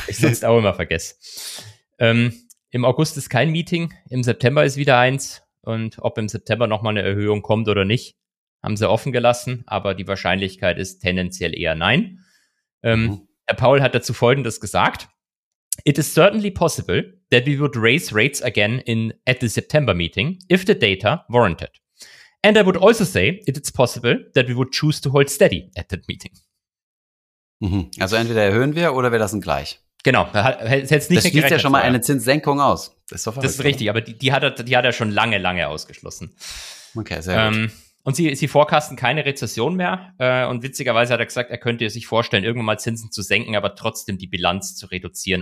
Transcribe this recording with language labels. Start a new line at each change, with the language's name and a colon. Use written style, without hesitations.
German: Ich sonst auch immer vergesse. Im August ist kein Meeting, im September ist wieder eins. Und ob im September nochmal eine Erhöhung kommt oder nicht, haben sie offen gelassen. Aber die Wahrscheinlichkeit ist tendenziell eher nein. Herr Paul hat dazu Folgendes gesagt.
English: It is certainly possible that we would raise rates again at the September meeting, if the data warranted. And I would also say it is possible that we would choose to hold steady at that meeting.
German: Also entweder erhöhen wir oder wir lassen gleich. Genau. Hätt's nicht, das schließt ja schon mal eine Zinssenkung aus. Das ist richtig, aber die hat er schon lange, lange ausgeschlossen. Okay, sehr gut. Und sie forecasten keine Rezession mehr. Und witzigerweise hat er gesagt, er könnte sich vorstellen, irgendwann mal Zinsen zu senken, aber trotzdem die Bilanz zu reduzieren.